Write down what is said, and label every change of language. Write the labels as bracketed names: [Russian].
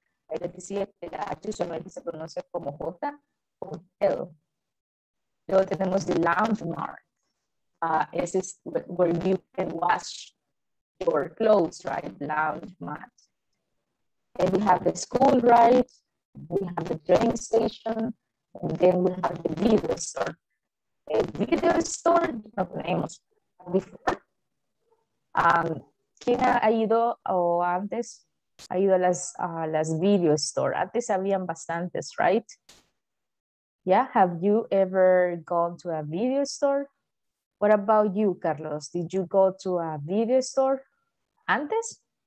[Spanish] Es decir, la H solamente se pronuncia como J, hotel. Luego tenemos the laundromat. [English] This is where you can wash your clothes, right? Laundromat. And we have the school, right? We have the train station. And then we have the video store. A video store, [Spanish] no tenemos [English] before. [Spanish] ¿Quién ha ido o antes ha ido a las video store? Antes habían bastantes, right? [English] Yeah, have you ever gone to a video store? What about you, Carlos? Did you go to a video store antes?